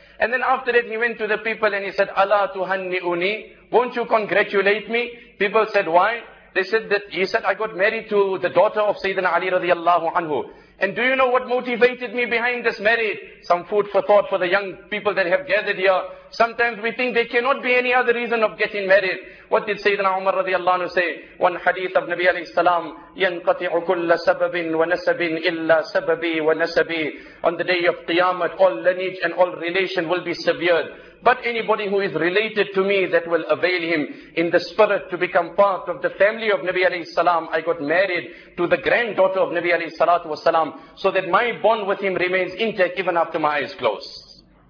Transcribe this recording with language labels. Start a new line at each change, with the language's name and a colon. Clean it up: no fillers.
English: And then after that he went to the people and he said,
Arabic: Allah tuhanni'uni,
English: won't you congratulate me? People said, why? They said that, he said, I got married to the daughter of Sayyidina Ali radiallahu anhu. And do you know what motivated me behind this marriage? Some food for thought for the young people that have gathered here. Sometimes we think there cannot be any other reason of getting married. What did Sayyidina Umar radiallahu anhu say? One hadith of Nabi alayhi salam,
Arabic: يَنْقَطِعُ كُلَّ سَبَبٍ وَنَسَبٍ إِلَّا سَبَبِي وَنَسَبِي.
English: On the day of Qiyamah, all lineage and all relation will be severed. But anybody who is related to me, that will avail him in the spirit to become part of the family of Nabi alayhi salam. I got married to the granddaughter of Nabi alayhi salatu was salam, so that my bond with him remains intact even after my eyes close.